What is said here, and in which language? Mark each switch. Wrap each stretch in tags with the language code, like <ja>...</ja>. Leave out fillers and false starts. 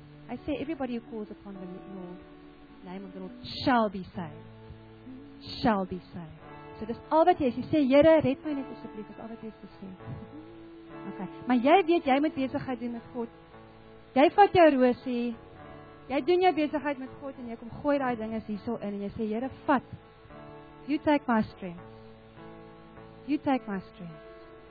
<en>I say, everybody who calls upon the Lord, name of the Lord, shall be saved. Shall be saved.</en> <af>So dis al wat jy is. Jy sê, Heere, red my net asseblief, dis al wat jy is gesê. Okay, maar jy weet, jy moet besigheid doen met God. Jy vat jou roosie, jy doen jou besigheid met God, en jy kom gooi die dinge hier so in, en jy sê, Heere, vat.</af> <en>You take my strength. You take my strength.</en>